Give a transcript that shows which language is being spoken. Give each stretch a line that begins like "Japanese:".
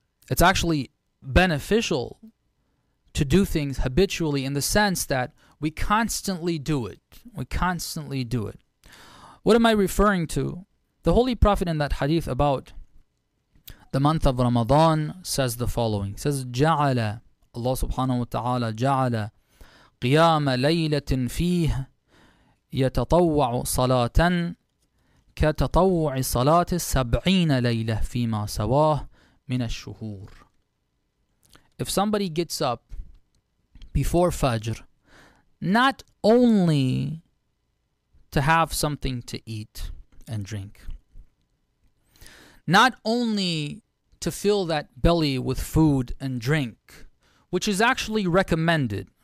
English: It's actually beneficial to do things habitually in the sense that we constantly do it. We constantly do it. What am I referring to? The Holy Prophet in that hadith about the month of Ramadan says the following. It says, جَعَلَ, Allah subhanahu wa ta'ala, جَعَلَ
Arabic: قيام ليلة فيه يتطوع صلاة كتطوع صلاة 70 ليلة فيما سواه من الشهور.
English: If somebody gets up before Fajr, not only to have something to eat and drink, not only to fill that belly with food and drink, which is actually recommended.